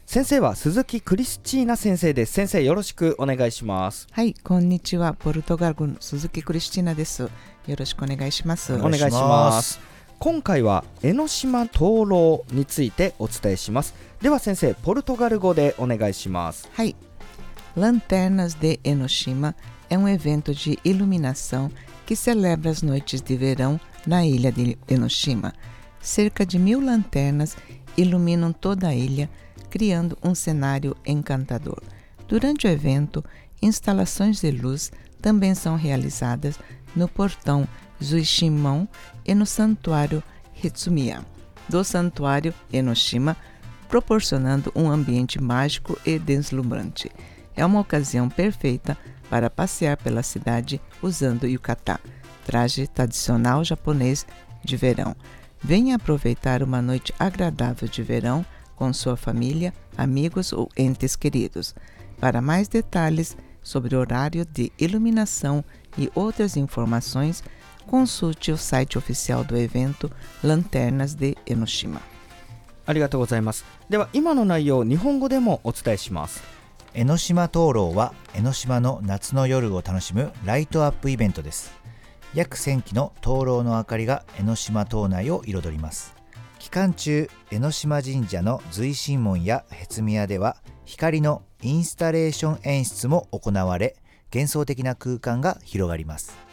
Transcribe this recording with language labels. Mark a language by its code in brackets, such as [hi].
[ja] 先生は鈴木クリスチーナ先生です。先生よろしくお願いします。はい、こんにちは、ポルトガル語の鈴木クリスチーナです。よろしくお願いします。お願いします。今回は江ノ島灯籠についてお伝えします。では先生、ポルトガル語でお願いします。 [pt] はい、Lanternas de Enoshima é um evento de iluminação que celebra as noites de verão na ilha de Enoshima. Cerca de 1000 lanternas iluminam toda a ilha, criando um cenário encantador. Durante o evento, instalações de luz também são realizadas no portão Zuishimon e no santuário Hitsumiya do santuário Enoshima, proporcionando um ambiente mágico e deslumbrante. É uma ocasião perfeita para passear pela cidade usando yukata, traje tradicional japonês de verão. Venha aproveitar uma noite agradável de verão com sua família, amigos ou entes queridos. Para mais detalhes sobre o horário de iluminação e outras informações, consulte o site oficial do evento Lanternas de Enoshima. [ja] ありがとうございます。では今の内容を日本語でもお伝えします。江ノ島灯籠は江ノ島の夏の夜を楽しむライトアップイベントです。約1000基の灯籠の明かりが江ノ島島内を彩ります。期間中、江ノ島神社の随神門やヘツミヤでは光のインスタレーション演出も行われ、幻想的な空間が広がります。